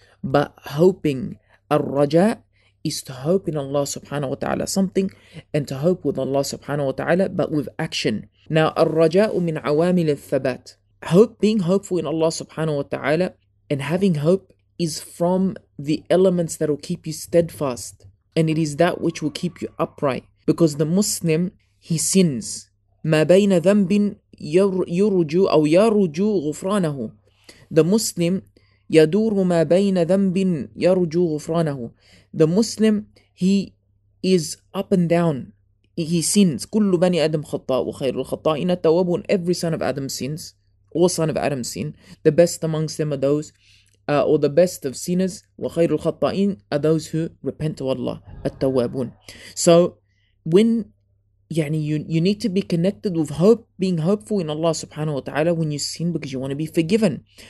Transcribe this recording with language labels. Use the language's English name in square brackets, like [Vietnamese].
[English] But hoping, al-raja, is to hope in Allah subhanahu wa ta'ala something, and to hope with Allah subhanahu wa ta'ala, but with action. Now, [Arabic] al-raja min awamil al-thabat. [English] Hope, being hopeful in Allah subhanahu wa ta'ala, and having hope, is from the elements that will keep you steadfast. And it is that which will keep you upright. Because the Muslim, he sins. [Arabic] ما بين ذنب يرجو أو يرجو غفرانه. [English] The Muslim, [Arabic] يدور ما بين ذنب يرجو غفرانه. [English] The Muslim, he is up and down. He sins. [Arabic] كل بني آدم خطاء وخير الخطائين التوابون. [English] Every son of Adam sins. All son of Adam sin. The best amongst them are those, or the best of sinners, [Arabic] وخير الخطائين, [English] are those who repent to Allah. [Arabic] التوابون. [English] So when you need to be connected with hope, being hopeful in Allah subhanahu wa ta'ala when you sin, because you want to be forgiven.